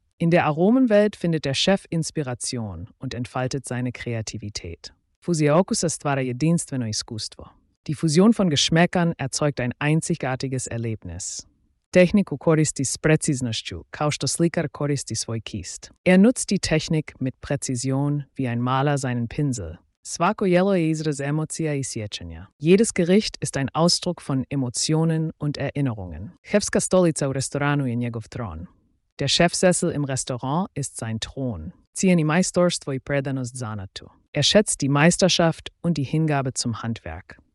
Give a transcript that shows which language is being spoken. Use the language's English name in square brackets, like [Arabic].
[German] In der Aromenwelt findet der Chef Inspiration und entfaltet seine Kreativität. [Croatian] Fusija okusa stvara jedinstveno iskustvo. [German] Die Fusion von Geschmäckern erzeugt ein einzigartiges Erlebnis. [Croatian] Tehniku koristi s preciznošću, kao što slikar koristi svoj kist. [German] Er nutzt die Technik mit Präzision, wie ein Maler seinen Pinsel. [Croatian] Svako jelo je izraz emocija i sjećanja. [German] Jedes Gericht ist ein Ausdruck von Emotionen und Erinnerungen. [Croatian] Chefska stolica u restoranu je njegov tron. [German] Der Chefsessel im Restaurant ist sein Thron. [Croatian] Cijeni majstorstvo i predanost zanatu. [German] Er schätzt die Meisterschaft und die Hingabe zum Handwerk.